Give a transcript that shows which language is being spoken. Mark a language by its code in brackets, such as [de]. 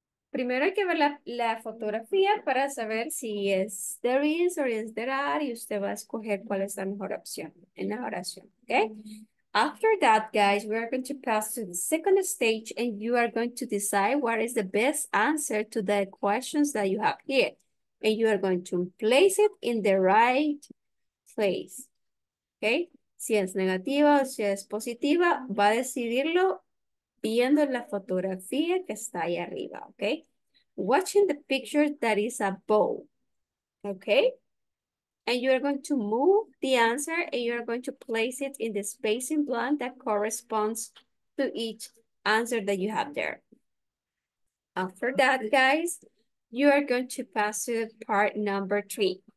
[es] Primero hay que ver la fotografía para saber si es [en] there is or is there are, [es] y usted va a escoger cuál es la mejor opción en la oración, okay? [en] After that, guys, we are going to pass to the second stage and you are going to decide what is the best answer to the questions that you have here. And you are going to place it in the right place, okay? [es] Si es negativa o si es positiva, va a decidirlo viendo la fotografía que está ahí arriba, okay? [en] Watching the picture that is above, okay? And you are going to move the answer and you are going to place it in the spacing blank that corresponds to each answer that you have there. After that, guys, you are going to pass to part number three.